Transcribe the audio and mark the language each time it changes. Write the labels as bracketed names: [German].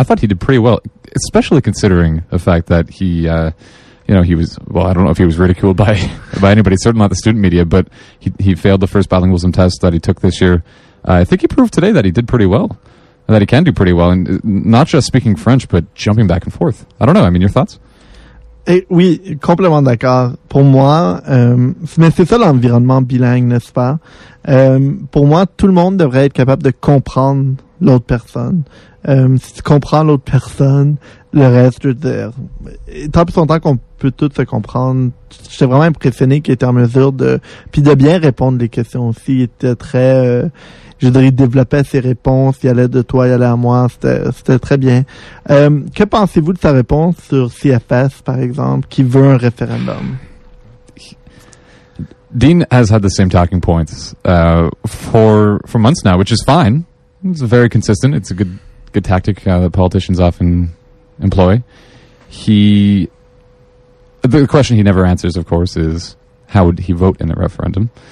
[English] I thought he did pretty well, especially considering the fact that he, you know, he was, well, I don't know if he was ridiculed by anybody, certainly not the student media, but he failed the first bilingualism test that he took this year. I think he proved today that he did pretty well, that he can do pretty well, and not just speaking French, but jumping back and forth. I don't know. I mean, your thoughts? [French] Et oui, complètement d'accord. Pour moi, mais c'est ça l'environnement bilingue, n'est-ce pas? Pour moi, tout le monde devrait être capable de comprendre l'autre personne. Si tu comprends l'autre personne, le reste, je veux dire, tant pis son temps qu'on peut tous se comprendre. J'étais vraiment impressionné qu'il était en mesure de, puis de bien répondre les questions aussi. Il était très, je dirais, il développait ses réponses. Il allait de toi, il allait à moi. C'était très bien. Que pensez-vous de sa réponse sur CFS, par exemple, qui veut un référendum? [English] Dean has had the same talking points, for months now, which is fine. It's very consistent. It's a good tactic that politicians often employ. The question he never answers, of course, is how would he vote in a referendum?